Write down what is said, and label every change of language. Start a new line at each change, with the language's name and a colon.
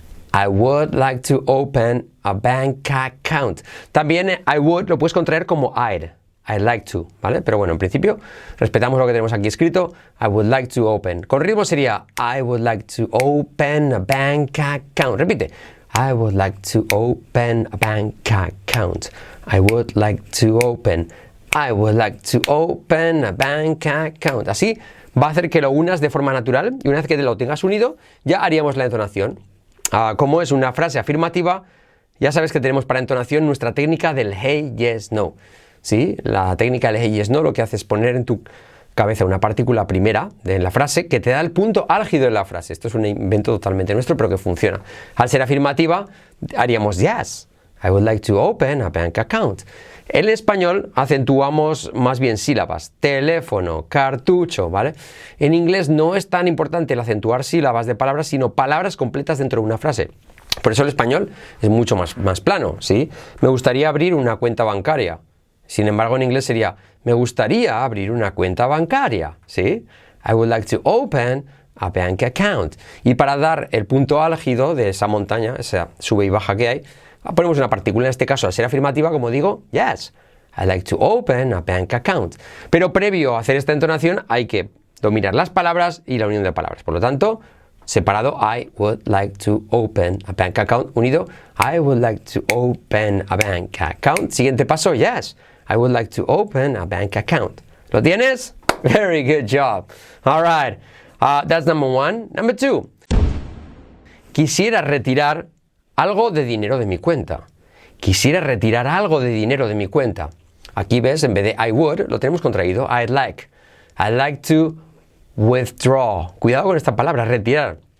English: I would like to open a bank account.
Spanish: También
English: I would
Spanish: lo puedes contraer como
English: I'd like to,
Spanish: ¿vale? Pero bueno, en principio, respetamos lo que tenemos aquí escrito.
English: I would like to open.
Spanish: Con ritmo sería,
English: I would like to open a bank account. Repite. I would like to open a bank account. I would like to open. I would like to open a bank account.
Spanish: Así va a hacer que lo unas de forma natural y una vez que te lo tengas unido, ya haríamos la entonación. Como es una frase afirmativa, ya sabes que tenemos para entonación nuestra técnica del hey, yes, no. ¿Sí? La técnica del hey, yes, no, lo que hace es poner en tu cabeza una partícula primera de la frase que te da el punto álgido de la frase. Esto es un invento totalmente nuestro, pero que funciona. Al ser afirmativa, haríamos
English: yes, I would like to open a bank account.
Spanish: En español acentuamos más bien sílabas, teléfono, cartucho, ¿vale? En inglés no es tan importante el acentuar sílabas de palabras, sino palabras completas dentro de una frase. Por eso el español es mucho más plano, ¿sí? Me gustaría abrir una cuenta bancaria. Sin embargo, en inglés sería, me gustaría abrir una cuenta bancaria, ¿sí?
English: I would like to open a bank account.
Spanish: Y para dar el punto álgido de esa montaña, esa sube y baja que hay, ponemos una partícula en este caso, al ser afirmativa, como digo,
English: yes, I like to open a bank account.
Spanish: Pero previo a hacer esta entonación, hay que dominar las palabras y la unión de palabras. Por lo tanto, separado,
English: I would like to open a bank account. Unido, I would like to open a bank account.
Spanish: Siguiente paso,
English: yes, I would like to open a bank account.
Spanish: ¿Lo tienes?
English: Very good job. All right, that's number one. Number two.
Spanish: Quisiera retirar algo de dinero de mi cuenta. Quisiera retirar algo de dinero de mi cuenta. Aquí ves, en vez de I would, lo tenemos contraído,
English: I'd like. I'd like to withdraw.
Spanish: Cuidado con esta palabra, retirar.